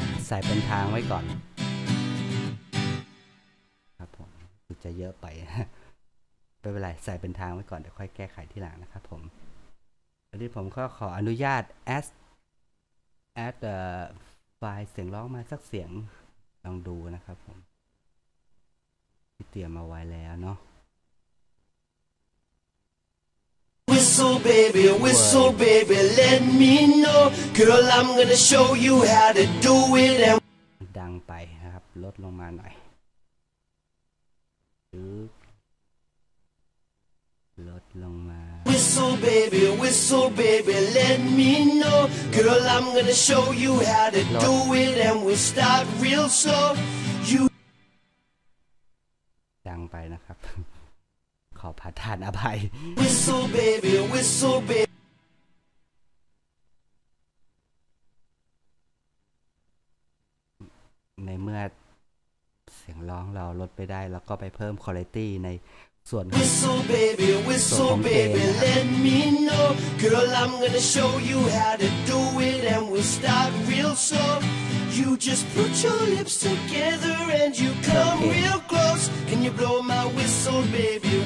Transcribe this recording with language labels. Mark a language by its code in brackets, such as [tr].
[th] ใส่เป็นทางไว้ก่อนครับผมจะเยอะไปไม่เป็นไรใส่เป็นทางไว้ก่อนเดี๋ยวค่อยแก้ไขทีหลังนะครับผมอันนี้ผมก็ขออนุญาต add ไฟล์เสียงร้องมาสักเสียงลองดูนะครับผมที่เตรียมเอาไว้แล้วเนาะ [en] Whistle baby, whistle baby, let me know. Girl, I'm gonna show you how to do it. [th] ดังไปนะครับลดลงมาหน่อยลดลงมา [en] Whistle baby, whistle baby, let me know. Girl, I'm gonna show you how to do it. And we'll start real slow. [th] You ดังไปนะครับขอผ่าทานอภัย [en] Whistle baby, whistle baby. [th] ในเมื่อเสียงร้องเราลดไปได้แล้วก็ไปเพิ่มควอลิตี้ในส่วนของเกณฑ์นะครับ [en] Let me know. Girl, I'm gonna show you how to do it and we'll start real slow. You just put your lips together and you come okay. real close. Can you blow my whistle, baby?